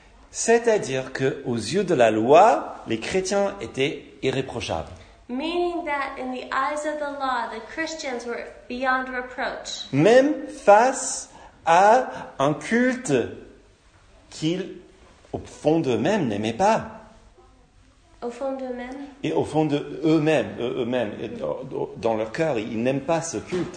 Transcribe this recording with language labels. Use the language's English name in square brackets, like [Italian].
[French] C'est-à-dire que aux yeux de la loi, les chrétiens étaient irréprochables. [English] Meaning that in the eyes of the law, the Christians were beyond reproach. [French] Même face à un culte qu'ils, au fond d'eux-mêmes, n'aimaient pas. Au fond d'eux-mêmes. Et au fond d'eux-mêmes, eux-mêmes, dans leur cœur, ils n'aiment pas ce culte.